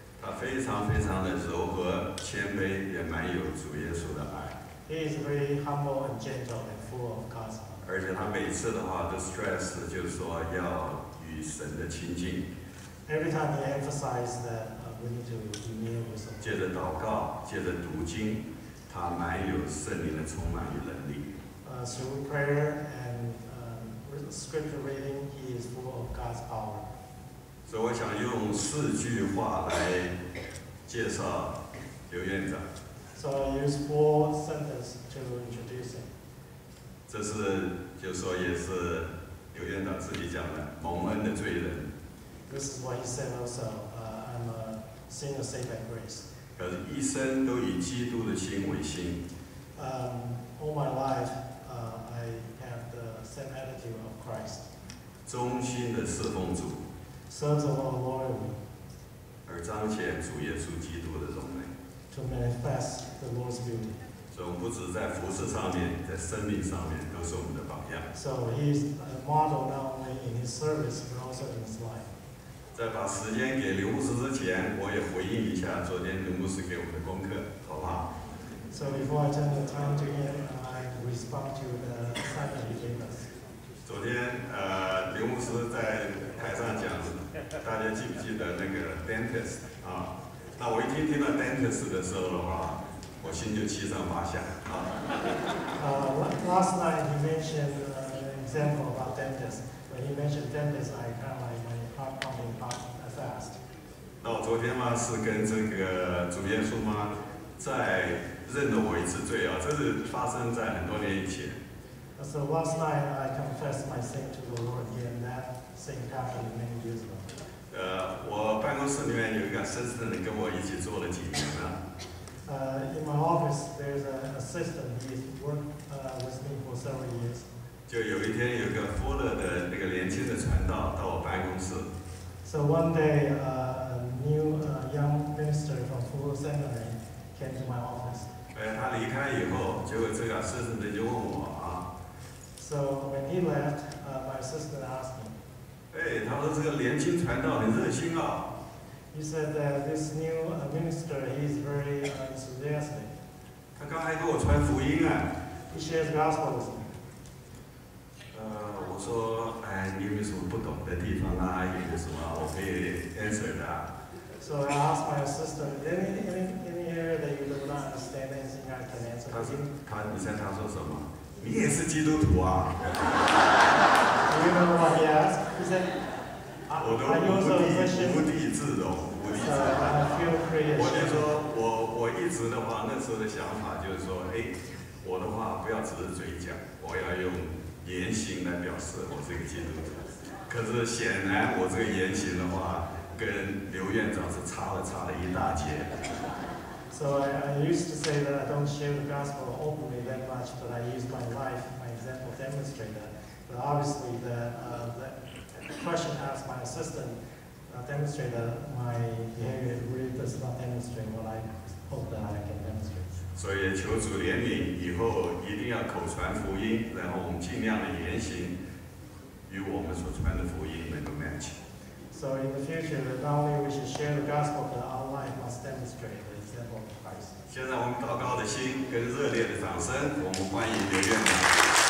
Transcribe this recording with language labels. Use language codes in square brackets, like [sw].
[zh] 他非常非常的柔和谦卑，也蛮有主耶稣的爱。 [en] He is very humble and gentle and full of God's heart. [zh] 而且他每次的话都 stress， 就是说要与神的亲近。 [en] Every time he emphasized that we need to remain with him. [zh] 借着祷告，借着读经，他蛮有圣灵的充满与能力。 [en] Through prayer and scripture reading, he is full of God's power. [zh] 所以我想用四句话来介绍刘院长。 [en] So I use four sentences to introduce him. [zh] 这是就说也是刘院长自己讲的，蒙恩的罪人。 [en] This is what he said also. I'm a sinner saved by grace. [zh] 可是一生都以基督的心为心。 [en] All my life, I have the same attitude of Christ. [zh] 忠心的侍奉主。 [en] Serves the Lord loyally. [zh] 而彰显主耶稣基督的荣美。 [en] To manifest the Lord's beauty. [zh] 所以不只在服事上面，在生命上面都是我们的榜样。 [en] So he's a model not only in his service but also in his life. [zh] 在把时间给刘牧师之前，我也回应一下昨天刘牧师给我的功课，好不好 [en] ？So before I turn the time to him, I respond to the assignment he gave us. [zh] 昨天刘牧师在台上讲大家记不记得那个 dentist 啊？那我一听听到 dentist 的时候的话，我心就七上八下啊。 [en] Last night you mentioned an example about dentist. When you mentioned dentist, I kind of like my heart pumping fast. [zh] 那我昨天嘛是跟这个主耶稣嘛在认了我一次罪啊，这是发生在很多年以前。 [en] So last night I confessed my sin to the Lord again. That sin happened many years ago. [zh] 我办公室里面有一个 assistant 跟我一起做了几年了。 [en] In my office there's an assistant. He's worked with me for several years. [zh] 就有一天有个富勒的那个年轻的传道到我办公室。 [en] So one day a new young minister from Fuller Seminary came to my office. [zh] 他离开以后，结果这个 assistant 就问我。 [en] So when he left, my assistant asked him. [zh] Hey, 他说这个年轻传道很热心啊。 [en] He said that this new minister is very enthusiastic. [zh] 他刚才给我传福音啊。 [en] He shares gospel with me. [zh] 我说哎，你有没有什么不懂的地方啊？有没有什么我可以 answer 的？ [en] So I asked my assistant, any area that you do not understand, anything I can answer. [zh] 他你猜他说什么？你也是基督徒啊？ [en] Do you remember what he asked? He said, "I also a Christian." [zh] 无地自容，无地自容。 [en] I feel free. [zh] 我就说，我一直的话，那时候的想法就是说，哎，我的话不要只是嘴讲，我要用言行来表示我是一个基督徒。可是显然，我这个言行的话，跟刘院长是差了一大截。 [en] So I used to say that I don't share the gospel openly that much, but I use my life, my example, demonstrate that. But obviously, the question asked my assistant demonstrate that my behavior really does not demonstrate what I hope that I can demonstrate. [zh] 所以求主怜悯，以后一定要口传福音，然后我们尽量的言行与我们所传的福音能够 match. [en] So in the future, not only we should share the gospel, but our life must demonstrate it. [zh] 现在我们祷告的心跟热烈的掌声，我们欢迎刘院长。